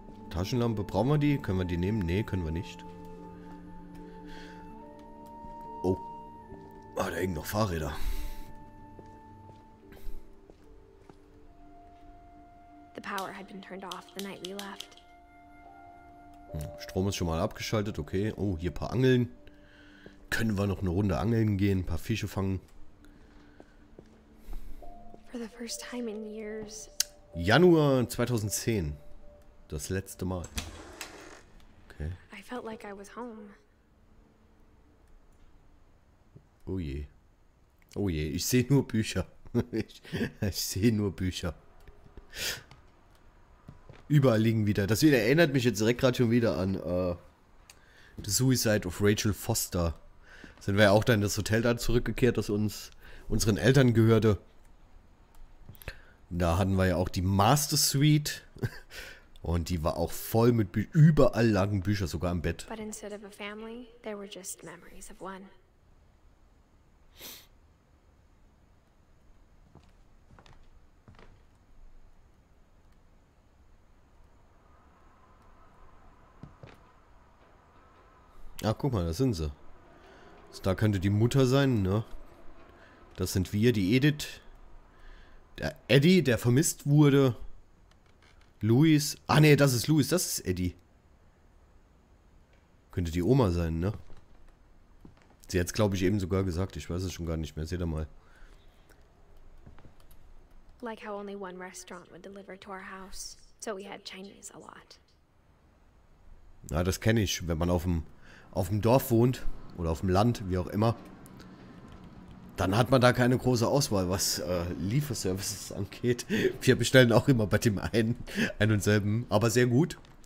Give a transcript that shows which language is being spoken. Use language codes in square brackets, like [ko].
[de] Taschenlampe, brauchen wir die? Können wir die nehmen? Nee, können wir nicht. Oh. Ah, da hängen noch Fahrräder. [en] The power had been turned off the night we left. [de] Strom ist schon mal abgeschaltet, okay. Oh, hier ein paar Angeln. Können wir noch eine Runde angeln gehen, ein paar Fische fangen? [en] For the first time in years. [de] Januar 2010. Das letzte Mal. Okay. [en] I felt like I was home. [de] Oh je. Oh je, ich sehe nur Bücher. Ich sehe nur Bücher. Überall liegen wieder. Das wieder erinnert mich jetzt direkt gerade schon wieder an The Suicide of Rachel Foster. Sind wir ja auch dann in das Hotel da zurückgekehrt, das uns unseren Eltern gehörte. Da hatten wir ja auch die Master Suite. Und die war auch voll mit Büchern. Überall lagen Bücher, sogar im Bett. [en] But instead of a family, there were just memories of one. [de] Ach, guck mal, da sind sie. Da könnte die Mutter sein, ne? Das sind wir, die Edith. Der Eddie, der vermisst wurde. Louis. Ah ne, das ist Louis, das ist Eddie. Könnte die Oma sein, ne? Sie hat es, glaube ich, eben sogar gesagt. Ich weiß es schon gar nicht mehr. Seht ihr mal. [en] Like how only one restaurant would deliver to our house. So we had Chinese a lot. [de] Na, das kenne ich, wenn man auf dem Dorf wohnt oder auf dem Land, wie auch immer. Dann hat man da keine große Auswahl, was Lieferservices angeht. Wir bestellen auch immer bei dem einen und selben. Aber sehr gut.